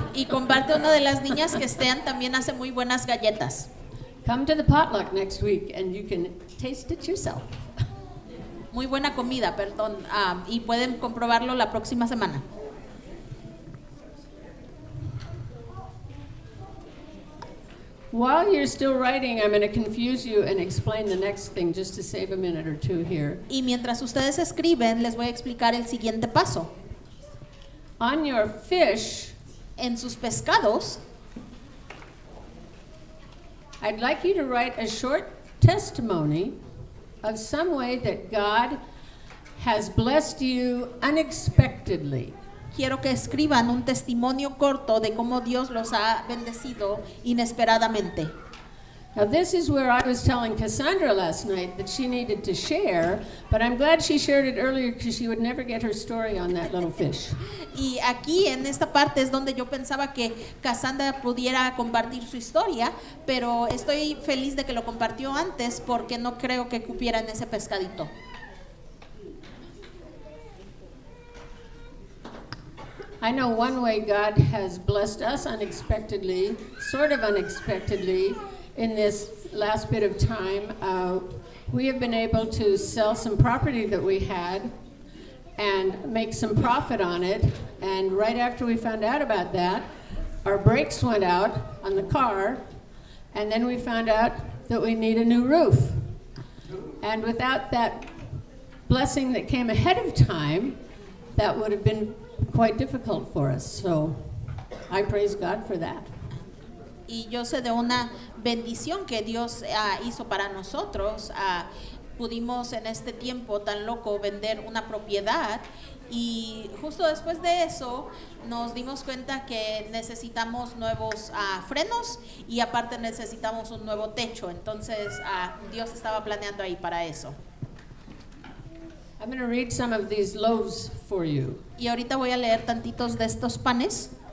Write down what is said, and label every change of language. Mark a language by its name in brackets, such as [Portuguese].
[Spanish] Y comparte una de las niñas que Stan también hace muy buenas galletas. [English] Come to the potluck next week and you can taste it yourself. [Spanish] Muy buena comida, perdón, y pueden comprobarlo la próxima semana. [English] While you're still writing, I'm going to confuse you and explain the next thing just to save a minute or two here. [Spanish] Y mientras ustedes escriben, les voy a explicar el siguiente paso. [English] On your fish, [Spanish] en sus pescados, [English] I'd like you to write a short testimony of some way that God has blessed you unexpectedly. [Spanish] Quiero que escriban un testimonio corto de cómo Dios los ha bendecido inesperadamente. [English] Now this is where I was telling Cassandra last night that she needed to share, but I'm glad she shared it earlier because she would never get her story on that little fish. [Spanish] Y aquí en esta parte es donde yo pensaba que Cassandra pudiera compartir su historia, pero estoy feliz de que lo compartió antes porque no creo que cupiera en ese pescadito. [English] I know one way God has blessed us unexpectedly, sort of unexpectedly, in this last bit of time. We have been able to sell some property that we had and make some profit on it. And right after we found out about that, our brakes went out on the car, and then we found out that we need a new roof. And without that blessing that came ahead of time, that would have been quite difficult for us. So I praise God for that. [Spanish] Y yo sé de una bendición que Dios hizo para nosotros. Pudimos en este tiempo tan loco vender una propiedad, y justo después de eso nos dimos cuenta que necesitamos nuevos frenos, y aparte necesitamos un nuevo techo. Entonces Dios estaba planeando ahí para eso. [English] I'm going to read some of these loaves for you. [Spanish] Y ahorita voy a leer tantitos de estos panes.